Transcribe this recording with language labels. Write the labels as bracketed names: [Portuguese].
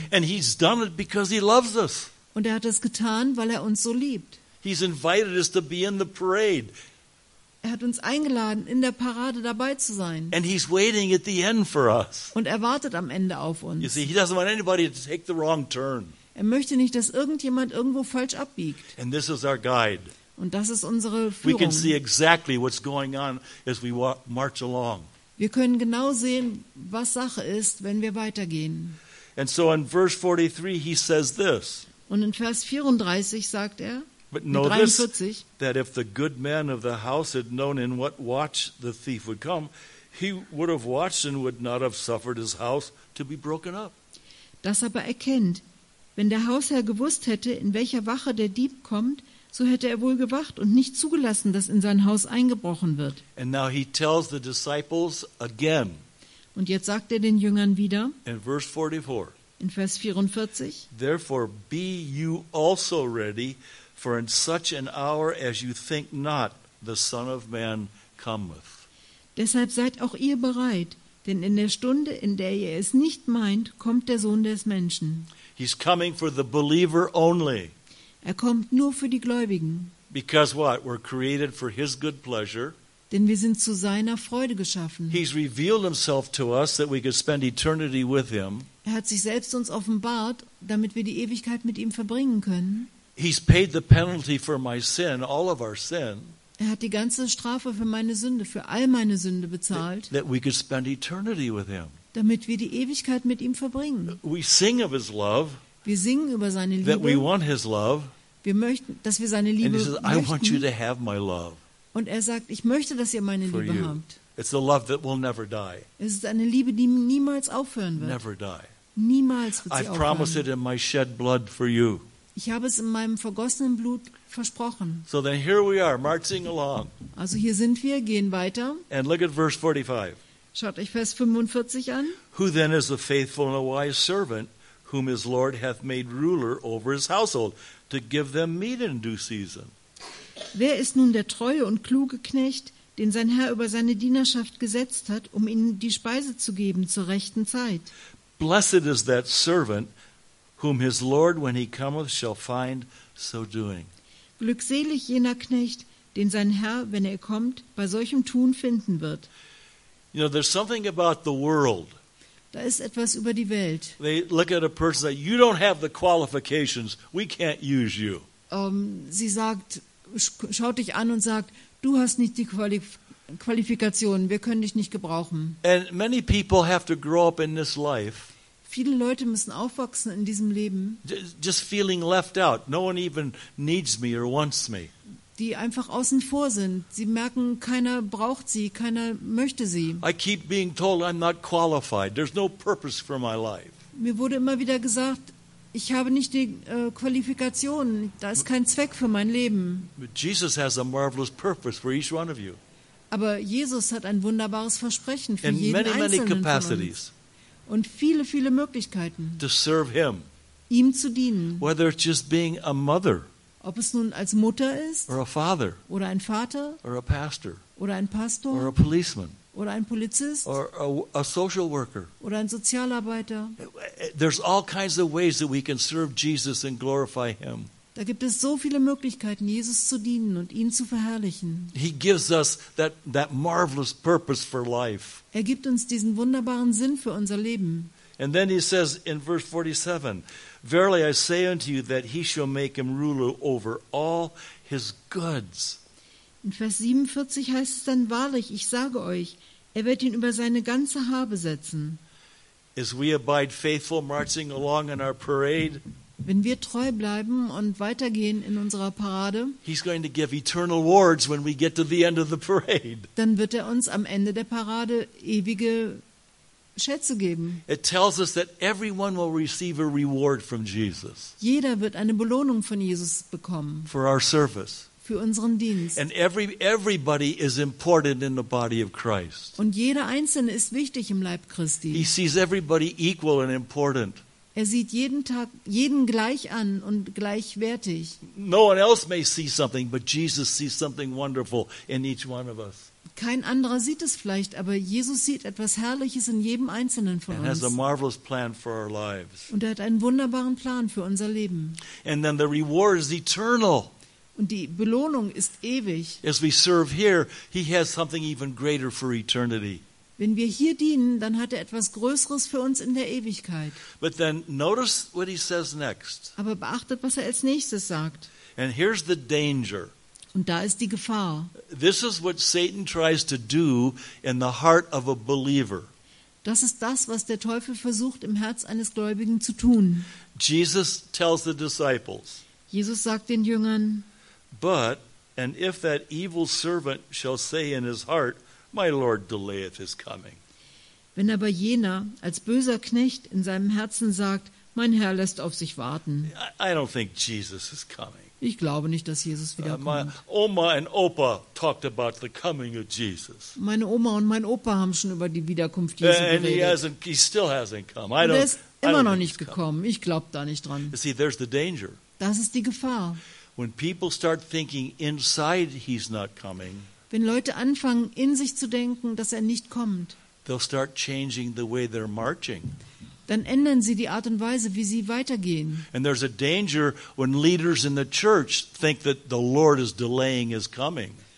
[English] And he's done it because he loves us. [German] Und er hat das getan, weil er uns so liebt. [English] He's invited us to be in the parade. [German] Er hat uns eingeladen, in der Parade dabei zu sein. [English] And he's waiting at the end for us. [German] Und er wartet am Ende auf uns. [English] You see, he doesn't want anybody to take the wrong turn. [German] Er möchte nicht, dass irgendjemand irgendwo falsch abbiegt. [English] And this is our guide. [German] Und das ist unsere Führung. [English] We can see exactly what's going on as we march along. [German] Wir können genau sehen, was Sache ist, wenn wir weitergehen. [English] And so in verse 43 he says this. [German] Und in Vers 34 sagt er, [English] But know this, that if the good man of the house had known in what watch the thief would come, he would have watched and would not have suffered his house to be broken up. [German] Das aber erkennt, wenn der Hausherr gewusst hätte, in welcher Wache der Dieb kommt, so hätte er wohl gewacht und nicht zugelassen, dass in sein Haus eingebrochen wird. [English] And now he tells the disciples again. [German] Und jetzt sagt er den Jüngern wieder. [English] In verse 44. [German] In Vers 44. [English] Therefore be you also ready. For in such an hour as you think not, the Son of Man cometh. [German] Deshalb seid auch ihr bereit, denn in der Stunde, in der ihr es nicht meint, kommt der Sohn des Menschen. [English] He's coming for the believer only. [German] Er kommt nur für die Gläubigen. [English] Because what? We're created for His good pleasure. [German] Denn wir sind zu seiner Freude geschaffen. [English] He's revealed Himself to us that we could spend eternity with Him. [German] Er hat sich selbst uns offenbart, damit wir die Ewigkeit mit ihm verbringen können. [English] He's paid the penalty for my sin, all of our sin. [German] Er hat die ganze Strafe für meine Sünde, für all meine Sünde bezahlt. [English] That we could spend eternity with him. [German] Damit wir die Ewigkeit mit ihm verbringen. [English] We sing of his love. [German] Wir singen über seine Liebe. [English] That we want his love. [German] Wir möchten, dass wir seine Liebe möchten. [English] And he says, I want you to have my love. [German] Und er sagt, ich möchte, dass ihr meine Liebe habt. [English] It's a love that will never die. [German] Es ist eine Liebe, die niemals aufhören wird. [English] Never die. [German] Niemals wird sie aufhören. [English] I promise it in my shed blood for you. [German] Ich habe es in meinem vergossenen Blut versprochen. [English] So then here we are, marching along. [German] Also hier sind wir, gehen weiter. [English] And look at verse 45. [German] Schaut euch Vers 45 an. [English] Who then is the faithful and a wise servant, whom his Lord hath made ruler over his household, to give them meat in due season? [German] Wer ist nun der treue und kluge Knecht, den sein Herr über seine Dienerschaft gesetzt hat, um ihnen die Speise zu geben zur rechten Zeit? [English] Blessed is that servant, whom his Lord, when he cometh, shall find so doing. [German] Glückselig jener Knecht, den sein Herr, wenn er kommt, bei solchem Tun finden wird. [English] You know, there's something about the world. [German] Da ist etwas über die Welt. [English] They look at a person and say, you don't have the qualifications, we can't use you. [German] Sie sagt, schaut dich an und sagt, du hast nicht die Qualifikationen, wir können dich nicht gebrauchen. [English] And many people have to grow up in this life. [German] Viele Leute müssen aufwachsen in diesem Leben. [English] Just feeling left out. No one even needs me or wants me. [German] Die einfach außen vor sind. Sie merken, keiner braucht sie, keiner möchte sie. [English] I keep being told I'm not qualified. There's no purpose for my life. [German] Mir wurde immer wieder gesagt, ich habe nicht die Qualifikationen. Da ist kein Zweck für mein Leben. [English] Jesus has a marvelous purpose for each one of you. [German] Aber Jesus hat ein wunderbares Versprechen für in jeden [English] many, [German] einzelnen [English] many capacities. [German] Von uns. Und viele, viele Möglichkeiten, [English] to serve him, [German] ihm zu dienen. [English] Whether it's just being a mother, [German] ob es nun als Mutter ist, [English] or a father, [German] oder ein Vater, [English] or a pastor, [German] oder ein Pastor, [English] or a policeman, [German] oder ein Polizist, [English] or a social worker, [German] oder ein Sozialarbeiter. [English] There's all kinds of ways that we can serve Jesus and glorify him. [German] Da gibt es so viele Möglichkeiten, Jesus zu dienen und ihn zu verherrlichen. [English] He gives us that marvelous purpose for life. [German] Er gibt uns diesen wunderbaren Sinn für unser Leben. [English] And then he says in verse 47, Verily I say unto you that he shall make him ruler over all his goods. [German] In Vers 47 heißt es dann, Wahrlich, ich sage euch, er wird ihn über seine ganze Habe setzen. [English] As we abide faithful, marching along in our parade, [German] wenn wir treu bleiben und weitergehen in unserer Parade, [English] he's going to give eternal rewards when we get to the end of the parade. [German] Dann wird er uns am Ende der Parade ewige Schätze geben. [English] It tells us that everyone will receive a reward from Jesus. [German] Jeder wird eine Belohnung von Jesus bekommen. [English] For our service. [German] Für unseren Dienst. [English] And everybody is important in the body of Christ. [German] Und jeder Einzelne ist wichtig im Leib Christi. [English] He sees everybody equal and important. [German] Er sieht jeden Tag jeden gleich an und gleichwertig. [English] No one else may see something, but Jesus sees something wonderful in each one of us. [German] Kein anderer sieht es vielleicht, aber Jesus sieht etwas Herrliches in jedem Einzelnen von uns. [English] Has a marvelous plan for our lives. [German] Und er hat einen wunderbaren Plan für unser Leben. [English] And then the reward is eternal. [German] Und die Belohnung ist ewig. [English] As we serve here, he has something even greater for eternity. [German] Wenn wir hier dienen, dann hat er etwas Größeres für uns in der Ewigkeit. [English] But then notice what he says next. [German] Aber beachtet, was er als nächstes sagt. [English] And here's the danger. [German] Und da ist die Gefahr. [English] This is what Satan tries to do in the heart of a believer. [German] Das ist das, was der Teufel versucht, im Herz eines Gläubigen zu tun. [English] Jesus tells the disciples. [German] Jesus sagt den Jüngern. [English] But, and if that evil servant shall say in his heart, My Lord delayeth his coming. [German] Wenn aber jener als böser Knecht in seinem Herzen sagt, mein Herr lässt auf sich warten. [English] I don't think Jesus is coming. [German] Ich glaube nicht, dass Jesus wiederkommt. [English] My Oma and Opa talked about the coming of Jesus. [German] Meine Oma und mein Opa haben schon über die Wiederkunft Jesu geredet. [English] And he still hasn't come. I don't, [German] er ist immer noch nicht gekommen. Ich glaube da nicht dran. [English] You see, there's the danger. [German] Das ist die Gefahr. [English] When people start thinking inside he's not coming, [German] wenn Leute anfangen, in sich zu denken, dass er nicht kommt, [English] they'll start changing the way they're marching. [German] Dann ändern sie die Art und Weise, wie sie weitergehen. [English] And there's a danger when leaders in the church think that the Lord is delaying his coming.